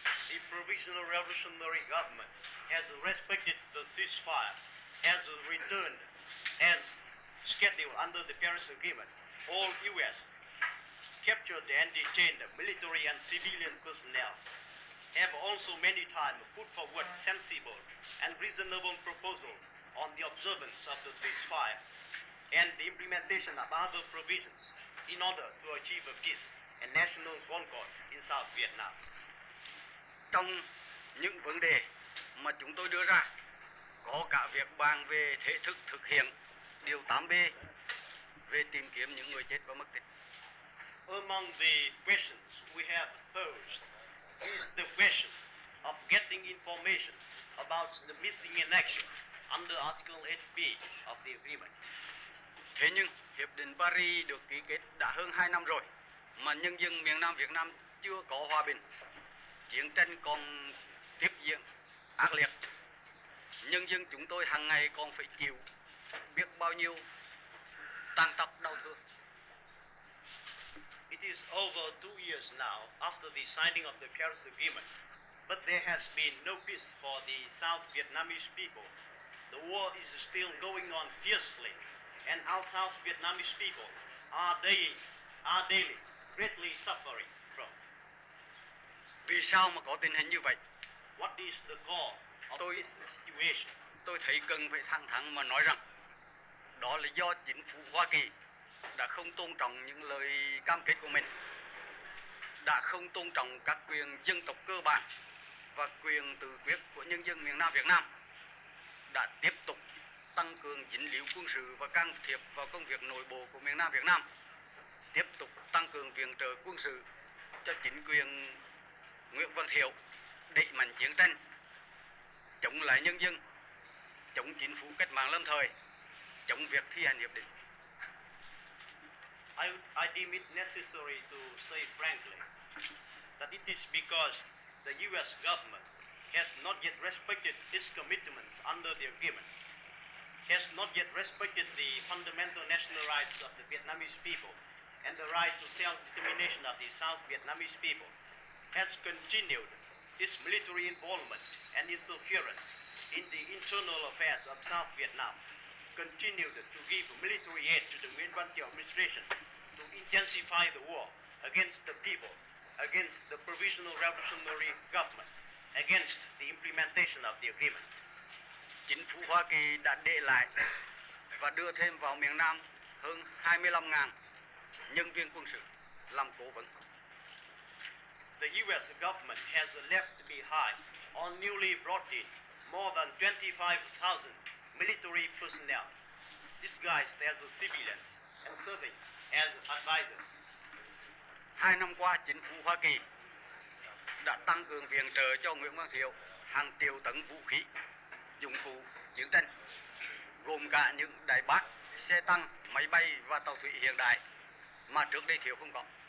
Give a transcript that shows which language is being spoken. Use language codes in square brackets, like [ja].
[en] The Provisional Revolutionary Government has respected the ceasefire, has returned as scheduled under the Paris Agreement all U.S. captured and detained military and civilian personnel, have also many times put forward sensible and reasonable proposals on the observance of the ceasefire and the implementation of other provisions in order to achieve a peace and national concord in South Vietnam. [vi] Trong những vấn đề mà chúng tôi đưa ra, có cả việc bàn về thể thức thực hiện điều 8B về tìm kiếm những người chết và mất tích. [en] Among the questions we have posed is the question of getting information about the missing in action under Article 8B of the agreement. [vi] Thế nhưng, Hiệp định Paris được ký kết đã hơn 2 năm rồi, mà nhân dân miền Nam Việt Nam chưa có hòa bình. Chiến tranh còn tiếp diễn ác liệt. Nhân dân chúng tôi hàng ngày còn phải chịu biết bao nhiêu tàn tật đau thương. [en] It is over 2 years now after the signing of the Paris Agreement, but there has been no peace for the South Vietnamese people. The war is still going on fiercely, and our South Vietnamese people are daily greatly suffering. [vi] Vì sao mà có tình hình như vậy? [en] What is the cause of this situation? [vi] Tôi thấy cần phải thẳng thắn mà nói rằng đó là do chính phủ Hoa Kỳ đã không tôn trọng những lời cam kết của mình, đã không tôn trọng các quyền dân tộc cơ bản và quyền tự quyết của nhân dân miền Nam Việt Nam, đã tiếp tục tăng cường dính líu quân sự và can thiệp vào công việc nội bộ của miền Nam Việt Nam, tiếp tục tăng cường viện trợ quân sự cho chính quyền Nguyễn Văn Thiệu, đẩy mạnh chiến tranh chống lại nhân dân, chống chính phủ cách mạng lâm thời, chống việc thi hành hiệp định. [en] I deem it necessary to say frankly that it is because the U.S. government has not yet respected its commitments under the agreement, has not yet respected the fundamental national rights of the Vietnamese people and the right to self-determination of the South Vietnamese people, has continued its military involvement and interference in the internal affairs of South Vietnam, continued to give military aid to the Nguyễn Văn Thiệu administration to intensify the war against the people, against the Provisional Revolutionary Government, against the implementation of the agreement. [vi] Chính phủ Hoa Kỳ đã để lại và đưa thêm vào miền Nam hơn 25,000 nhân viên quân sự làm cố vấn. [en] The U.S. government has left behind or newly brought in more than 25,000 military personnel disguised as civilians and serving as advisors. [vi] 2 năm qua, chính phủ Hoa Kỳ đã tăng cường viện trợ cho Nguyễn Văn Thiệu hàng triệu tấn vũ khí, dụng cụ chiến tranh, gồm cả những đại bác, xe tăng, máy bay và tàu thủy hiện đại mà trước đây Thiệu không có.